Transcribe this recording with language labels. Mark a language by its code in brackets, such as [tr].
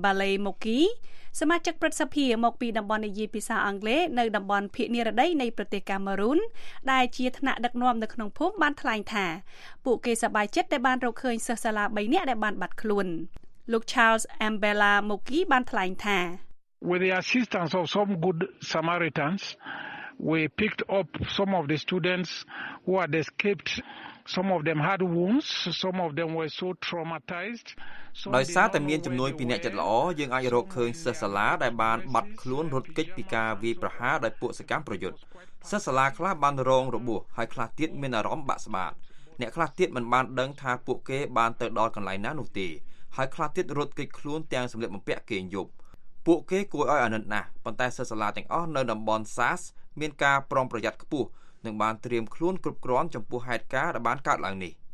[km] Ballet Mokey សមាជិកព្រឹទ្ធសភាមកពីតំបន់និយាយភាសាអង់គ្លេសនៅតំបន់ភាគនិរតីនៃប្រទេសកាមេរូនដែលជាថ្នាក់ដឹកនាំនៅក្នុងភូមិបានថ្លែងថាពួកគេសប្បាយចិត្តដែលបានរកឃើញសិស្សសាលា3នាក់ដែលបានបាត់ខ្លួនលោក Charles M. Ballet Mokey បានថ្លែងថា [en] With the assistance of some good Samaritans we picked up some of the students who had escaped. Some of them had wounds, some of them were so traumatized. [km] ដោយសារតែមានជំនួយពីអ្នកចិត្តល្អយើងអាចរកឃើញសិស្សសាលាដែលបានបាត់ខ្លួនរត់គេចពីការវាយប្រហារដោយពួកសកម្មប្រយុទ្ធសិស្សសាលាខ្លះបានរងរបួសហើយខ្លះទៀតមានអារម្មណ៍បាក់ស្បាតអ្នកខ្លះទៀតមិនបានដឹងថាពួកគេបានទៅដល់កន្លែងណានោះទេហើយខ្លះទៀតរត់គេចខ្លួនទាំងសម្លៀកបំពាក់គេងយប់ពួកគេគួរឲ្យអាណិតណាស់ប៉ុន្តែសិស្សសាលាទាំងអស់នៅតំបន់ SAS មានការប្រុងប្រយ័ត្នខ្ពស់នឹងបានត្រៀមខ្លួនគ្រប់គ្រាន់ចំពោះហេតុការណ៍ដែលបានកើតឡើងនេះ